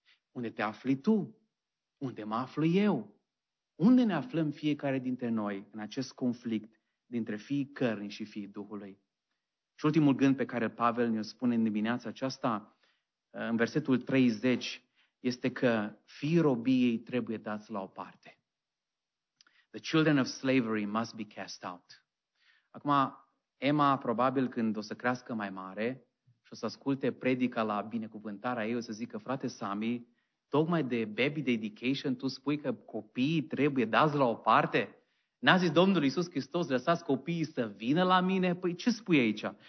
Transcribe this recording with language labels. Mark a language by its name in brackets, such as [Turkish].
[Romanian] Unde te afli tu? Unde mă aflu eu? Unde ne aflăm fiecare dintre noi în acest conflict dintre fiii cărnii și fiii Duhului? Și ultimul gând pe care Pavel ne-o spune în dimineața aceasta, în versetul 30, este că fiii robiei trebuie dați la o parte. [English] The children of slavery must be cast out. [Romanian] Acum, Emma, probabil când o să crească mai mare, și o să asculte predica la binecuvântarea ei, o să zică: frate Sami, tocmai de [English] baby dedication [Romanian] tu spui că copiii trebuie dați la o parte? N-a zis Domnul Iisus Hristos, lăsați copiii să vină la mine? Păi ce spui aici?